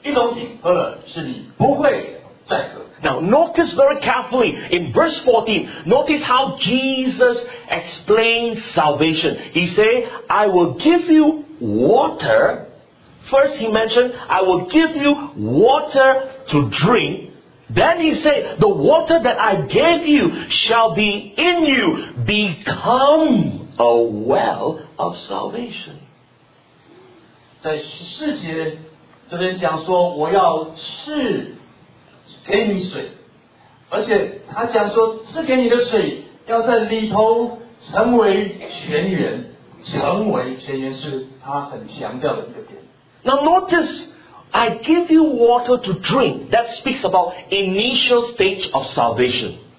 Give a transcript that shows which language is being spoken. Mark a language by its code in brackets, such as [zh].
[zh] 所以耶稣在这里强调有两种井，一种井是你喝了会再渴，一种井喝了是你不会再渴。 [en] Now notice very carefully in verse 14, notice how Jesus explains salvation. He says, I will give you water. First he mentioned, I will give you water to drink. Then he said, the water that I gave you shall be in you, become a well of salvation. [zh] 在十四节这边讲说，我要赐 给你水，而且他讲说赐给你的水要在里头成为泉源，成为泉源是他很强调的一个点。 [en] Now notice, I give you water to drink. That speaks about initial stage of salvation.